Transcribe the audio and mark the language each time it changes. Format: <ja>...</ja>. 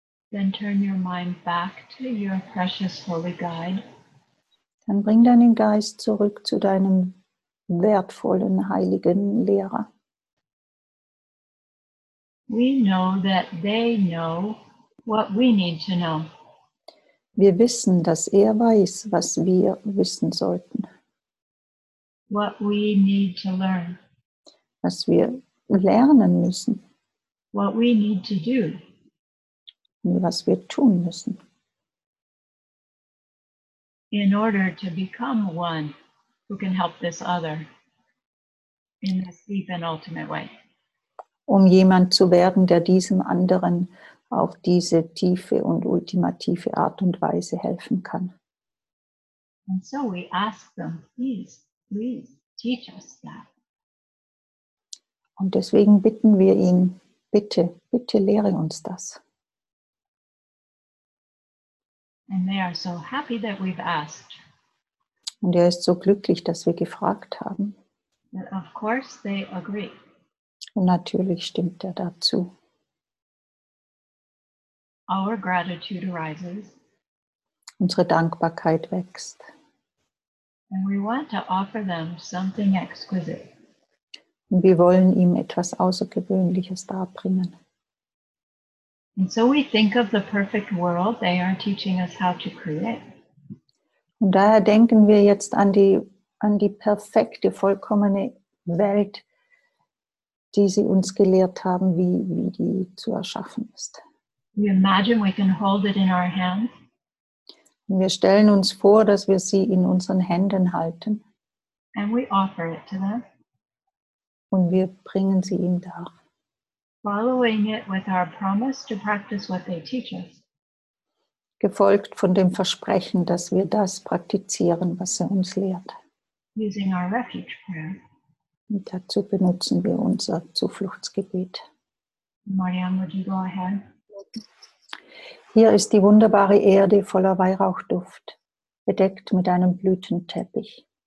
<en>Then turn your mind back to your precious holy guide.</en> <de>Dann bring deinen Geist zurück zu deinem wertvollen heiligen Lehrer.</de> <en>We know that they know what we need to know.</en> <de>Wir wissen, dass er weiß, was wir wissen sollten.</de> <en>What we need to learn.</en> <de>Was wir lernen müssen.</de> <en>What we need to do.</en> <de>Was wir tun müssen.</de> <en>In order to become one who can help this other in this deep and ultimate way.</en> <de>Um jemand zu werden, der diesem anderen auf diese tiefe und ultimative Art und Weise helfen kann.</de> <en>And so we ask them, please, please teach us that.</en> <de>Und deswegen bitten wir ihn, bitte, bitte lehre uns das.</de> <en>And they are so happy that we've asked.</en> <de>Und er ist so glücklich, dass wir gefragt haben.</de> <en>But of course they agree.</en> <de>Und natürlich stimmt er dazu.</de> <en>Our gratitude arises.</en> <de>Unsere Dankbarkeit wächst.</de> <en>And we want to offer them something exquisite.</en> <de>Und wir wollen ihm etwas Außergewöhnliches darbringen.</de> <en>And so we think of the perfect world they are teaching us how to create.</en> <de>Und daher denken wir jetzt an die perfekte, vollkommene Welt, die sie uns gelehrt haben, wie die zu erschaffen ist.</de> <en>We imagine we can hold it in our hands.</en> <de>Und wir stellen uns vor, dass wir sie in unseren Händen halten.</de> <en>And we offer it to them.</en> <de>Und wir bringen sie ihnen dar.</de> <en>Following it with our promise to practice what they teach us.</en> <de>Gefolgt von dem Versprechen, dass wir das praktizieren, was er uns lehrt.</de> <en>Using our refuge prayer.</en> <de>Und dazu benutzen wir unser Zufluchtsgebet.</de> <en>Marianne, would you go ahead?</en> <de>Hier ist die wunderbare Erde voller Weihrauchduft, bedeckt mit einem Blütenteppich.</de>